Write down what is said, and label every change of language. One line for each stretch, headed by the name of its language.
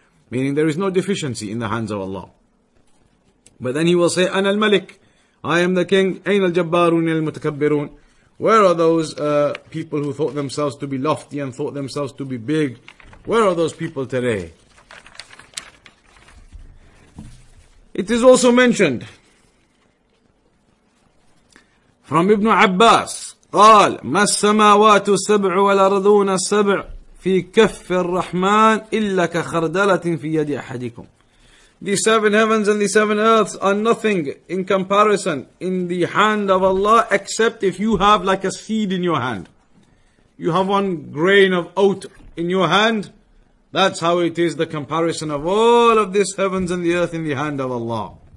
English: Meaning there is no deficiency in the hands of Allah. But then he will say,
Arabic: أَنَا الْمَلِكُ.
English: I am the king.
Arabic: أَيْنَ الْجَبَّارُونَ الْمُتَكَبِّرُونَ.
English: Where are those people who thought themselves to be lofty and thought themselves to be big? Where are those people today? It is also mentioned from Ibn Abbas,
Arabic: قال ما السماوات السبع والأرضون السبع في كف الرحمن إلا كخردلة في يد أحدكم.
English: The seven heavens and the seven earths are nothing in comparison in the hand of Allah except if you have like a seed in your hand. You have one grain of oat in your hand. That's how it is the comparison of all of this heavens and the earth in the hand of Allah.